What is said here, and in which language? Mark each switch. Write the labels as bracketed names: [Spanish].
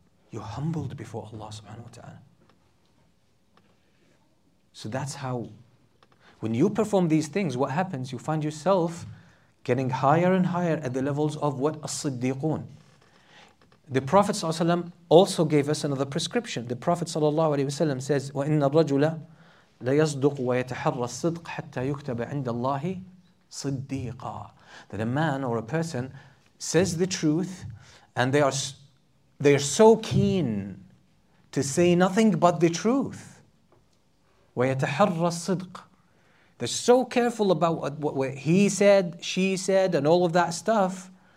[English] You're humbled before Allah subhanahu wa ta'ala. So that's how, when you perform these things, what happens? You find yourself getting higher and higher at the levels of what? As-Siddiqun. The Prophet ﷺ also gave us another prescription. The Prophet ﷺ says, [Arabic] وَإِنَّ الرَّجُلَ لَيَصْدُقُ وَيَتَحَرَّ الصِّدْقُ حَتَّى يُكْتَبَ عِنْدَ اللَّهِ صِدِّيقًا. [English] That a man or a person says the truth and they are so keen to say nothing but the truth. [Arabic] وَيَتَحَرَّ الصِّدْقُ. [English] They're so careful about what he said, she said, and all of that stuff.